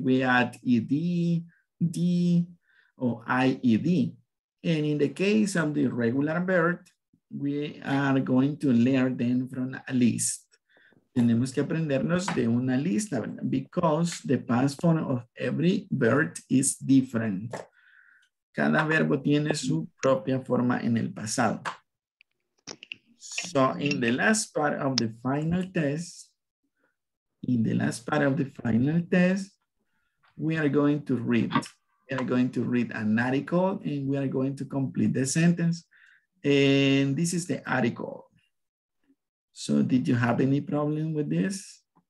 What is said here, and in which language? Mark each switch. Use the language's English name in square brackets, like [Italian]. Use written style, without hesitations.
[English] We add ed, d, or ied. And in the case of the regular verb, we are going to learn them from a list. [Spanish] Tenemos que aprendernos de una lista, ¿verdad? [English] Because the past form of every verb is different. [Spanish] Cada verbo tiene su propia forma en el pasado. [English] So in the last part of the final test, we are going to read. We are going to read an article and we are going to complete the sentence. And this is the article. So did you have any problem with this?